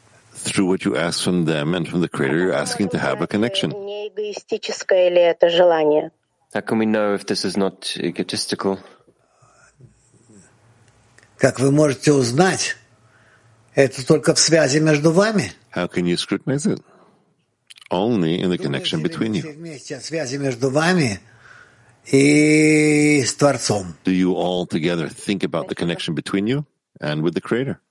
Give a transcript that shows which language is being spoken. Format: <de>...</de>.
<en>Through what you ask from them and from the Creator, you're asking to have a connection. How can we know if this is not egotistical?</en> <ru>Как вы можете узнать? Это только в связи между вами.</ru> <en>How can you scrutinize it? Only in the connection between you.</en> <ru>Связи между вами и с Творцом.</ru> <en>Do you all together think about the connection between you and with the Creator?</en>